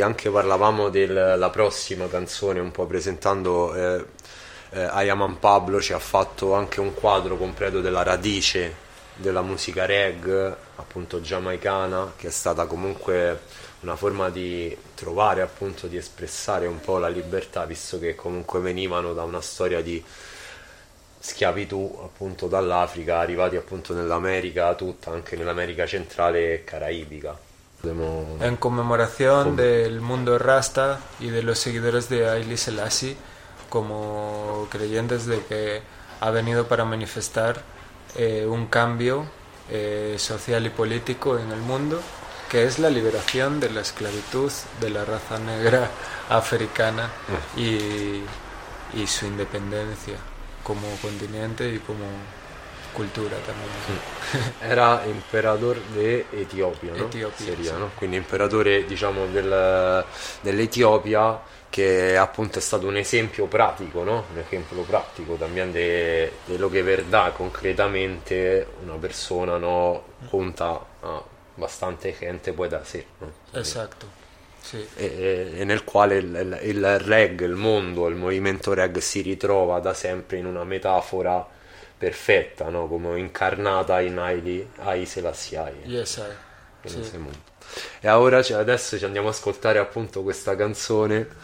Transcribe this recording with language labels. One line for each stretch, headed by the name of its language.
Italian: Anche parlavamo della prossima canzone, un po' presentando Ayaman Pablo ci ha fatto anche un quadro completo della radice della musica reggae, appunto giamaicana, che è stata comunque una forma di trovare, appunto, di espressare un po' la libertà, visto che comunque venivano da una storia di schiavitù, appunto, dall'Africa, arrivati appunto nell'America tutta, anche nell'America centrale e caraibica.
Spanish: En conmemoración del mundo rasta y de los seguidores de Haile Selassie, como creyentes de que ha venido para manifestar un cambio social y político en el mundo, que es la liberación de la esclavitud de la raza negra africana y su independencia como continente y como cultura también. Era emperador de Etiopía, ¿no? Etiopía, sería, sí. ¿No?
Italian: Quindi imperatore, diciamo, dell'Etiopia, che appunto è stato un esempio pratico, ¿no? Un esempio pratico
Spanish: también de lo que verdad concretamente una persona, ¿no? Junta a bastante gente puede hacer, ¿no? Exacto. Sí.
Italian: E nel quale il reggae, il mondo, il movimento reggae si ritrova da sempre in una metafora perfetta, ¿no? Come incarnata in Haile Selassie.
English: Yes, I.
Italian: Sì. E ora adesso ci andiamo a ascoltare appunto questa canzone.